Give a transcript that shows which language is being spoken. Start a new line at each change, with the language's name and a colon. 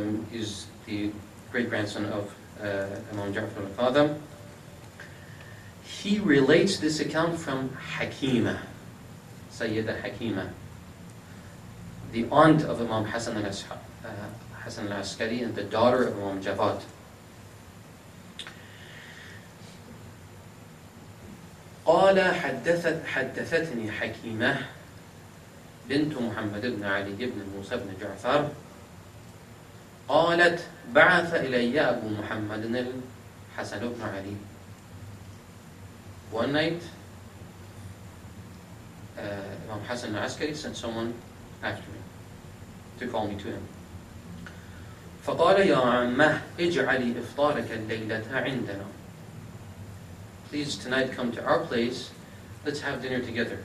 English: He's the great-grandson of Imam Ja'far al-Fadhil. He relates this account from Hakima, Sayyida Hakima, the aunt of Imam Hassan al-Askari and the daughter of Imam Javad.
Arabic: قال حدثتني حكيمة بنت محمد بن علي بن موسى بن جعفر قالت بعث إلي أبو محمد الحسن بن علي.
English: One night, Imam Hassan al-Askari sent someone after me to call me to him.
Arabic: فقال يا عمة اجعلي إفطارك الليلة عندنا.
English: Please, tonight come to our place. Let's have dinner together.